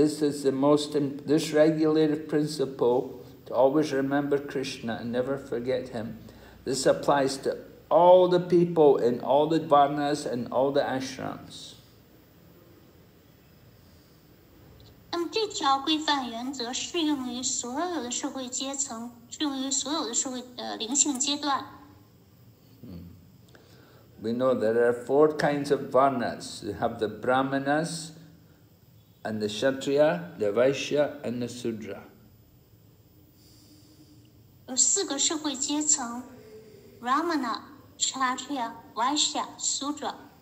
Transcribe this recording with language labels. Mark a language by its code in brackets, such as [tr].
[en] This regulative principle to always remember Krishna and never forget him. This applies to all the people in all the varnas and all the ashrams. [zh] 这条规范原则适用于所有的社会阶层，适用于所有的社会灵性阶段。 [en] We know there are four kinds of varnas. You have the brahmanas, and the kshatriya, the vaishya, and the sudra. [zh] 有四个社会阶层， brahmana, kshatriya, vaishya, sudra.